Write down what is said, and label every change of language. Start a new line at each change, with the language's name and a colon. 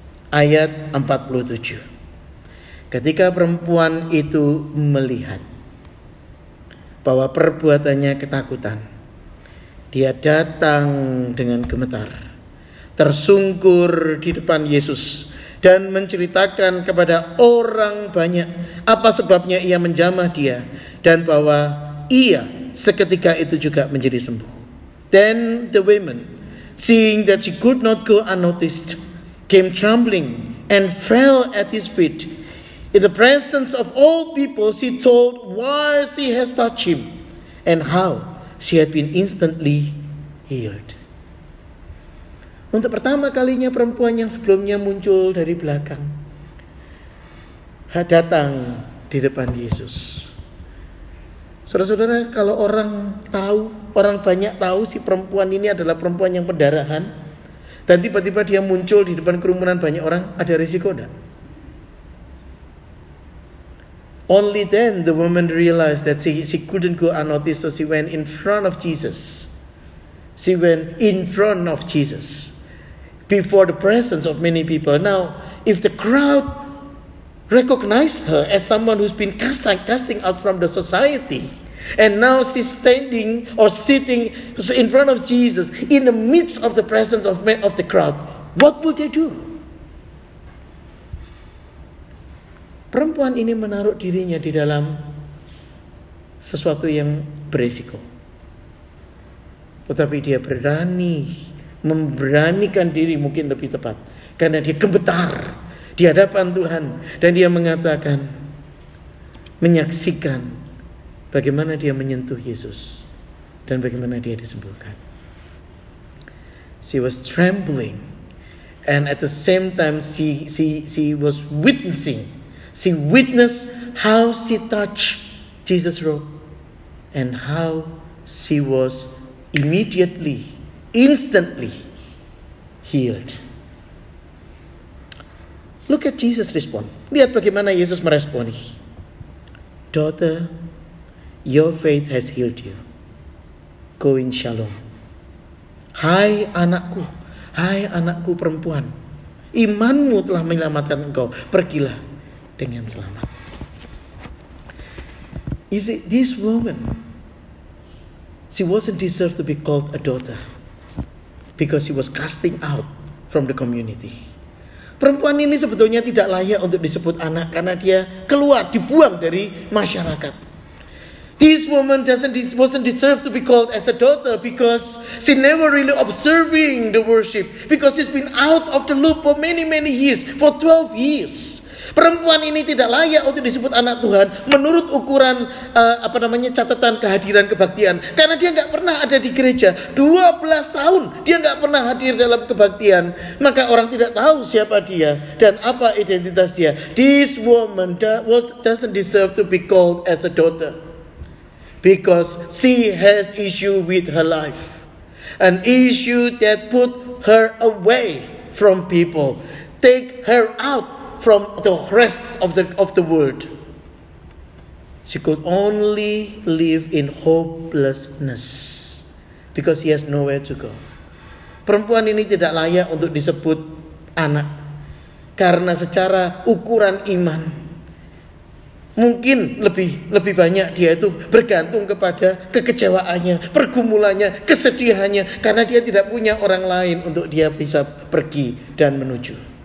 English: Verse 47.
Indonesian: Ayat 47. Ketika perempuan itu melihat bahwa perbuatannya ketakutan, dia datang dengan gemetar, tersungkur di depan Yesus, dan menceritakan kepada orang banyak apa sebabnya ia menjamah dia, dan bahwa ia seketika itu juga menjadi sembuh.
English: Then the women, seeing that she could not go unnoticed, came trembling and fell at his feet. In the presence of all people, she told why she has touched him and how she had been instantly healed.
Indonesian: Untuk pertama kalinya, perempuan yang sebelumnya muncul dari belakang datang di depan Yesus. Saudara-saudara, kalau orang tahu, orang banyak tahu si perempuan ini adalah perempuan yang pendarahan, dan tiba-tiba dia muncul di depan kerumunan banyak orang, ada risiko enggak?
English: Only then the woman realized that she couldn't go unnoticed, so she went in front of Jesus. She went in front of Jesus before the presence of many people. Now, if the crowd recognized her as someone who's been casting out from the society, and now she's standing or sitting in front of Jesus in the midst of the presence of men of the crowd, what would they do?
Indonesian: Perempuan ini menaruh dirinya di dalam sesuatu yang berisiko. Tetapi dia berani, memberanikan diri mungkin lebih tepat. Karena dia gemetar di hadapan Tuhan. Dan dia mengatakan, menyaksikan bagaimana dia menyentuh Yesus. Dan bagaimana dia disembuhkan.
English: She was trembling. And at the same time she was witnessing. She witnessed how she touched Jesus' robe and how she was immediately, instantly healed. Look at Jesus' response.
Indonesian: Lihat bagaimana Yesus meresponi.
English: Daughter, your faith has healed you. Go in shalom.
Indonesian: Hai anakku perempuan, imanmu telah menyelamatkan engkau. Pergilah dengan selamat.
English: You see, this woman she wasn't deserve to be called a daughter because she was casting out from the community.
Indonesian: Perempuan ini sebetulnya tidak layak untuk disebut anak karena dia keluar, dibuang dari masyarakat.
English: This woman wasn't deserve to be called as a daughter because she never really observing the worship because she's been out of the loop for many years, for 12 years.
Indonesian: Perempuan ini tidak layak untuk disebut anak Tuhan menurut ukuran catatan kehadiran kebaktian karena dia enggak pernah ada di gereja 12 tahun. Dia enggak pernah hadir dalam kebaktian, maka orang tidak tahu siapa dia dan apa identitas dia.
English: This woman doesn't deserve to be called as a daughter because she has issue with her life, an issue that put her away from people, take her out from the rest of the world. She could only live in hopelessness because she has nowhere to go.
Indonesian: Perempuan ini tidak layak untuk disebut anak karena secara ukuran iman mungkin lebih banyak dia itu bergantung kepada kekecewaannya, pergumulannya, kesedihannya karena dia tidak punya orang lain untuk dia bisa pergi dan menuju.